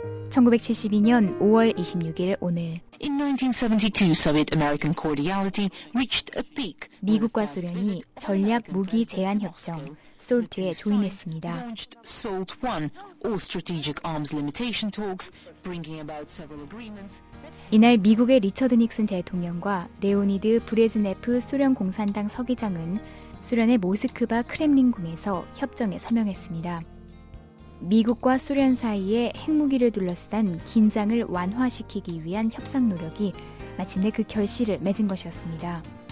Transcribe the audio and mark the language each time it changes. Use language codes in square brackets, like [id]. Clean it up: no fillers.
[ko] 1972년 5월 26일 오늘 [en] In 1972, Soviet-American cordiality reached a peak. [ko] 미국과 소련이 전략 무기 제한 협정 SALT에 조인했습니다. [en] SALT 1 All strategic arms limitation talks bringing about several agreements. [ko] 이날 미국의 리처드 닉슨 대통령과 레오니드 브레즈네프 소련 공산당 서기장은 소련의 모스크바 크렘린궁에서 협정에 서명했습니다. 미국과 소련 사이의 핵무기를 둘러싼 긴장을 완화시키기 위한 협상 노력이 마침내 그 결실을 맺은 것이었습니다.